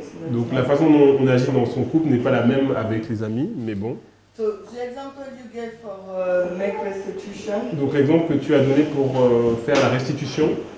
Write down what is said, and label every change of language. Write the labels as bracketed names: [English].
[French] Donc la façon dont on agit dans son couple n'est pas la même avec les amis, mais bon. [English] So, the example you gave for, make restitution. [French] Donc l'exemple que tu as donné pour faire la restitution.